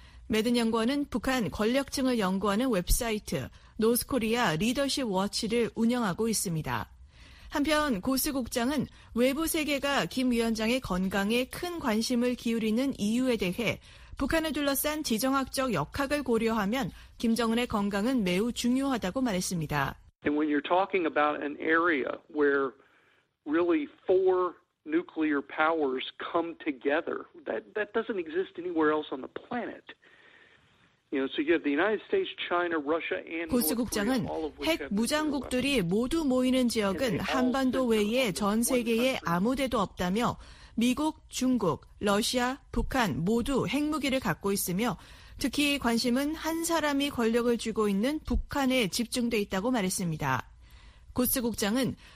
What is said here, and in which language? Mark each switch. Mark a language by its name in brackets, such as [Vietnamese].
[Korean] 매든 연구원은 북한 권력층을 연구하는 웹사이트 노스코리아 리더십 워치를 운영하고 있습니다. 한편 고스 국장은 외부 세계가 김 위원장의 건강에 큰 관심을 기울이는 이유에 대해 북한을 둘러싼 지정학적 역학을 고려하면 김정은의 건강은 매우 중요하다고 말했습니다. [English] And when you're talking about an area where really four nuclear powers come together, that doesn't exist anywhere else on the planet. You know, so you have the United States, China, Russia, and North Korea. [Korean] 국장은 핵 무장국들이 모두 모이는 지역은 한반도 외에 전 세계에 아무데도 없다며 미국, 중국, 러시아, 북한 모두 핵무기를 갖고 있으며 특히 관심은 한 사람이 권력을 쥐고 있는 북한에 집중돼 있다고 말했습니다. 고스 국장은